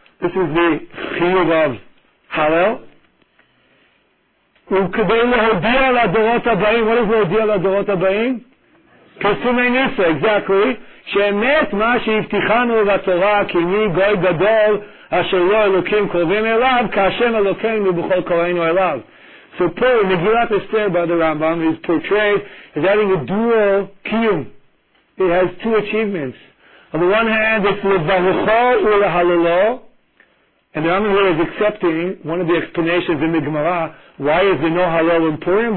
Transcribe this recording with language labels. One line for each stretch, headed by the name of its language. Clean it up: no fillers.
English: This is the חיוב of Hallel.
Hebrew: וכדי להודיע לדורות הבאים,
English: what is
Hebrew: להודיע לדורות הבאים? פרסומי ניסו, exactly. שאמת מה שהבטיחנו לתורה, כי מי גוי גדול אשר לא אלוקים קרובים אליו, כאשם אלוקינו בכל קוראינו אליו.
English: So Purim, Megillat Esther by the Rambam, is portrayed as having a dual kiyum. It has two achievements. On the one hand, it's levarucho ulehalolo, and the Rambam here is accepting one of the explanations in the Gemara, why is there no halol in Purim?